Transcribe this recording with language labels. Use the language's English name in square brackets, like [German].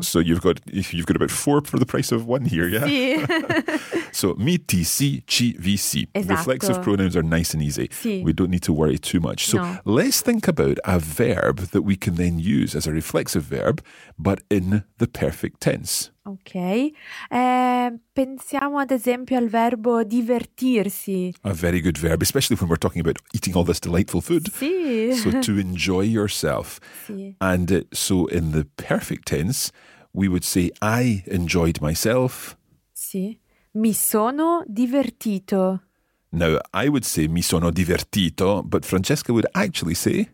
[English] So you've got about four for the price of one here, yeah? [Italian] Si. So mi, ti, si, ci, vi, si. Exacto. [English] Reflexive pronouns are nice and easy. [Italian] Si. [English] We don't need to worry too much. So no. Let's think about a verb that we can then use as a reflexive verb, but in the perfect tense. Ok. [Italian] Pensiamo ad esempio al verbo divertirsi. [English] A very good verb, especially when we're talking about eating all this delightful food. [Italian] Sì. [English] So to enjoy yourself. [Italian] Sì. [English] And so in the perfect tense, we would say I enjoyed myself. [Italian] Sì. Mi sono divertito. [English] Now, I would say [Italian] mi sono divertito, [English] but Francesca would actually say